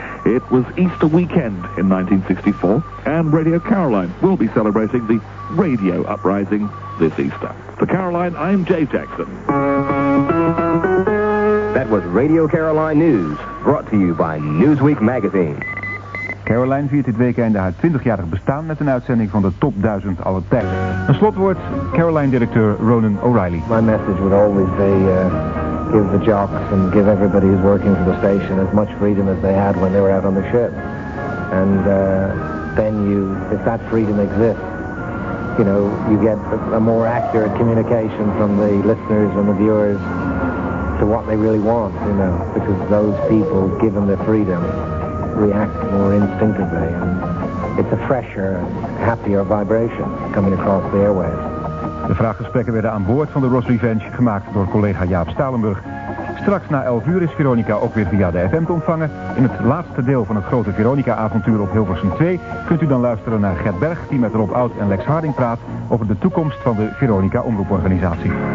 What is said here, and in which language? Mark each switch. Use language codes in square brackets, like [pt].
[en] It was Easter weekend in 1964, and Radio Caroline will be celebrating the radio uprising this Easter. For Caroline, I'm Jay Jackson. That was Radio Caroline News, brought to you by Newsweek Magazine. [nl] Caroline viert dit weekende haar 20-jarig bestaan met een uitzending van de top 1000 aller tijden. Een slotwoord, Caroline-directeur Ronan O'Reilly. [en] My message would always be, give the jocks and give everybody who's working for the station as much freedom as they had when they were out on the ship. And then you, if that freedom exists, you know, you get a more accurate communication from the listeners and the viewers to what they really want, you know, because those people, given the freedom, react more instinctively, and it's a fresher, happier vibration coming across the airwaves. [nl] De vraaggesprekken werden aan boord van de Ross Revenge gemaakt door collega Jaap Stalenburg. Straks na 11 uur is Veronica ook weer via de FM te ontvangen. In het laatste deel van het grote Veronica-avontuur op Hilversum 2 kunt u dan luisteren naar Gert Berg, die met Rob Oud en Lex Harding praat over de toekomst van de Veronica-omroeporganisatie.